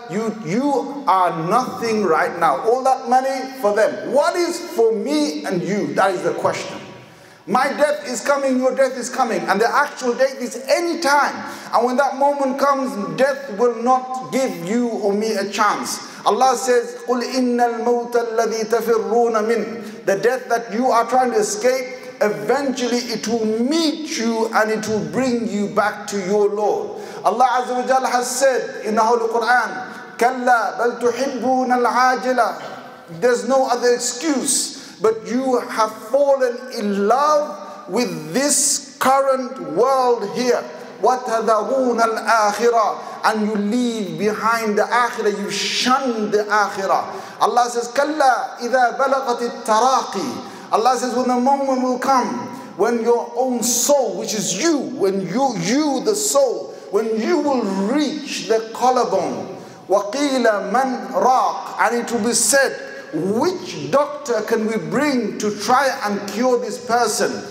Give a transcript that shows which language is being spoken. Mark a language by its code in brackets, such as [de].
[en] You are nothing right now. All that money for them. What is for me and you? That is the question. My death is coming, your death is coming. And the actual date is any time. And when that moment comes, death will not give you or me a chance. Allah says, [ar] قُلْ إِنَّ الْمَوْتَ الَّذِي تَفِرُّونَ مِنْ. [en] The death that you are trying to escape, eventually it will meet you and it will bring you back to your Lord. Allah Azza wa Jalla has said in the Holy Quran, [ar] كَلَّا بَلْ تُحِبُّونَ الْعَاجِلَةِ. [en] There's no other excuse, but you have fallen in love with this current world here. [ar] وَتَذَرُونَ الْآخِرَةِ. [en] And you leave behind the akhirah, you shun the akhirah. Allah says, [ar] كَلَّا إِذَا بَلَغَتِ التَّرَاقِي. [en] Allah says, when the moment will come, when your own soul, which is you, when you the soul, when you will reach the collarbone, [ar] وَقِيلَ مَنْ رَاقْ. [en] And it will be said, which doctor can we bring to try and cure this person?